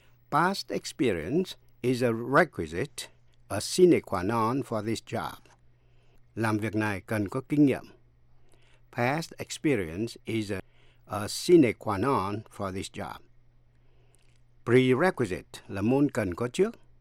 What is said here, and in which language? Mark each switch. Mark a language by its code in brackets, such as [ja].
[en] Past experience is a requisite, a sine qua non for this job. [vi] Làm việc này cần có kinh nghiệm. [en] Past experience is a sine qua non for this job. [vi] Prerequisite là môn cần có trước.